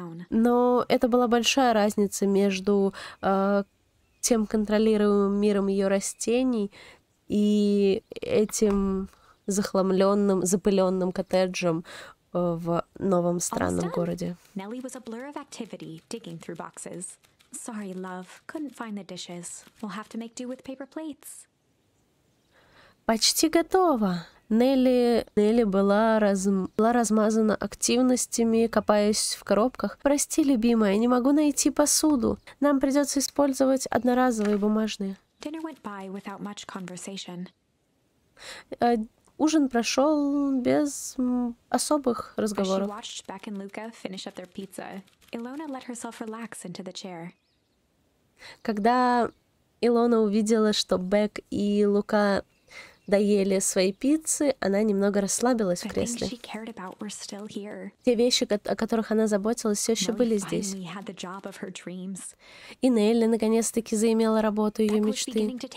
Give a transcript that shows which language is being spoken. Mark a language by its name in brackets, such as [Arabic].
[Russian] Но это была большая разница между тем контролируемым миром ее растений и этим захламленным, запыленным коттеджем в новом странном городе. [English] Nelly was a blur of activity, digging through boxes. Sorry, love, couldn't find the dishes. We'll have to make do with paper plates. [Russian] Почти готово. Нелли была размазана активностями, копаясь в коробках. Прости, любимая, не могу найти посуду. Нам придется использовать одноразовые бумажные. [English] Dinner went by without much conversation. [Russian] Ужин прошел без особых разговоров. [English] As she watched Beck and Luca finish up their pizza, Илона let herself relax into the chair. [Russian] Когда Илона увидела, что Бек и Лука доели свои пиццы, она немного расслабилась в кресле. Те вещи, о которых она заботилась, все еще были здесь. И Нелли наконец-таки заимела работу ее мечты.